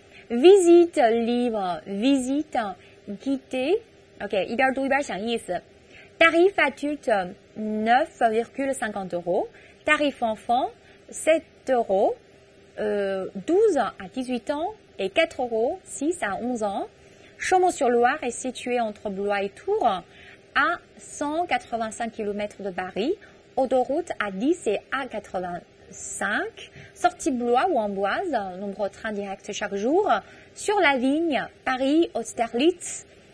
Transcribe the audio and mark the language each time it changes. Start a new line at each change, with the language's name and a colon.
French: Visite libre, visite.
Chinese: Guider, OK, 一边读一边想意思。
French: Tarif adulte 9,50€, tarif enfant 7€, 12 à 18 ans et 4€, 6 à 11 ans. Chaumont-sur-Loire est situé entre Blois et Tours, à 185 km de Paris, autoroute à 10 et à 85, sortie Blois ou Amboise, nombre de trains directs chaque jour, sur la ligne Paris-Austerlitz.